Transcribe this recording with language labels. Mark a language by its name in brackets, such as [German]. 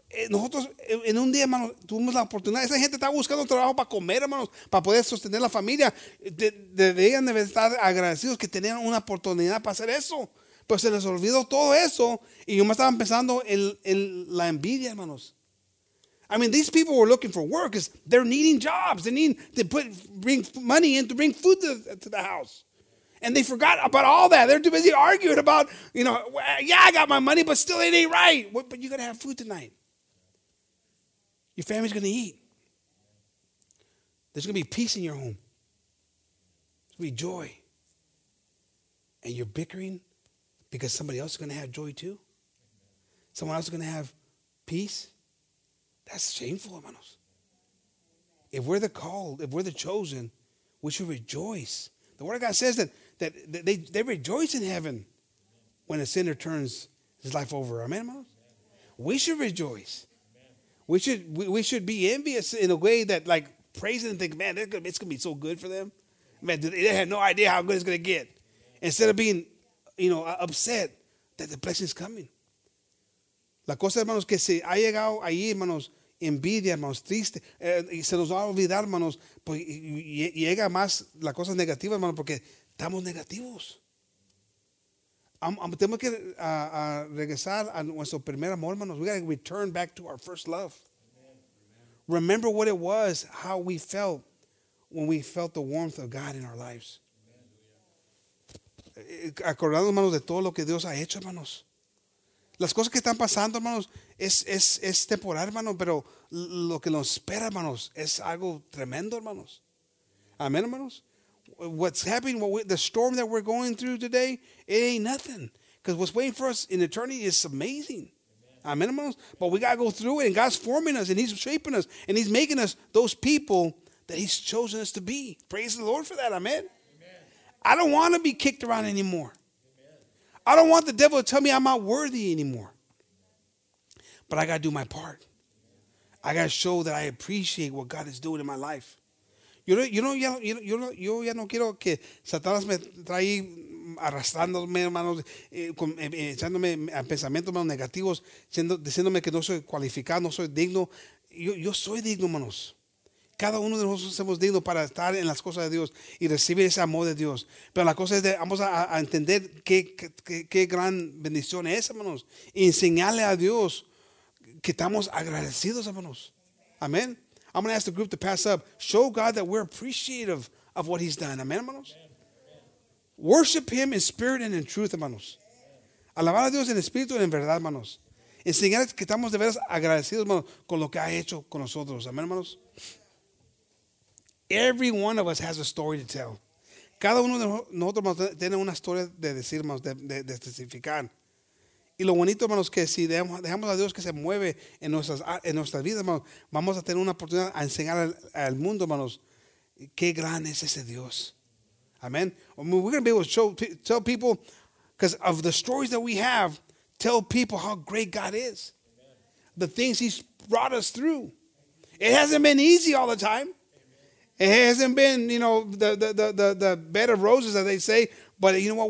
[Spanish] Nosotros en un día, hermanos, tuvimos la oportunidad. Esa gente estaba buscando trabajo para comer, hermanos, para poder sostener la familia. Deberían de estar agradecidos que tenían una oportunidad para hacer eso. Pues se les olvidó todo eso. Y yo me estaba pensando en la envidia, hermanos. [English] I mean, these people were looking for work because they're needing jobs. They need to bring money in to bring food to the house. And they forgot about all that. They're too busy arguing about, you know, yeah, I got my money, but still it ain't right. But you got to have food tonight. Your family's going to eat. There's going to be peace in your home. There's going to be joy. And you're bickering because somebody else is going to have joy too. Someone else is going to have peace. That's shameful, hermanos. If we're the called, if we're the chosen, we should rejoice. The Word of God says that they rejoice in heaven when a sinner turns his life over. Amen, hermanos? We should rejoice. We should be envious in a way that, like, praise and think, man, it's going to be so good for them. Man, they had no idea how good it's going to get. Instead of being, you know, upset that the blessing is coming. [Spanish] La cosa, hermanos, que se ha llegado ahí, hermanos, envidia, hermanos, triste, y se nos va a olvidar, hermanos, pues llega más la cosa negativa, hermanos, porque estamos negativos. Tenemos que regresar a nuestro primer amor, hermanos. [English] We got to return back to our first love. Amen. Remember what it was, how we felt when we felt the warmth of God in our lives. [Spanish] Acordando, hermanos, de todo lo que Dios ha hecho, hermanos. Las cosas que están pasando, hermanos, es temporal, hermanos, pero lo que nos espera, hermanos, es algo tremendo, hermanos. Amén, hermanos. [English] What's happening, the storm that we're going through today, it ain't nothing. Because what's waiting for us in eternity is amazing. Amen, hermanos. But we got to go through it, and God's forming us, and he's shaping us, and he's making us those people that he's chosen us to be. Praise the Lord for that. Amen. I don't want to be kicked around anymore. I don't want the devil to tell me I'm not worthy anymore. But I got to do my part. I got to show that I appreciate what God is doing in my life. [Spanish] Yo ya no quiero que Satanás me traiga arrastrándome, hermanos, echándome a pensamientos, hermanos, negativos, diciéndome que no soy cualificado, no soy digno. Yo soy digno, hermanos. Cada uno de nosotros somos dignos para estar en las cosas de Dios y recibir ese amor de Dios. Pero la cosa es de, vamos a entender qué gran bendición es, hermanos. Y enseñarle a Dios que estamos agradecidos, hermanos. Amén. [English] I'm going to ask the group to pass up. Show God that we're appreciative of what he's done. [Spanish] Amén, hermanos. [English] Worship him in spirit and in truth, hermanos. [Spanish] Alabar a Dios en espíritu y en verdad, hermanos. Enseñar que estamos de veras agradecidos, hermanos, con lo que ha hecho con nosotros. Amén, hermanos. [English] Every one of us has a story to tell. [Spanish] Cada uno de nosotros tiene una historia de decir, hermanos, de testificar. Y lo bonito, hermanos, que si dejamos a Dios que se mueve en nuestras vidas, hermanos, vamos a tener una oportunidad a enseñar al mundo, hermanos, qué gran es ese Dios. [English] Amen. We're going to be able to tell people, because of the stories that we have, tell people how great God is. Amen. The things he's brought us through. Amen. It hasn't been easy all the time. It hasn't been, you know, the bed of roses that they say, but you know what?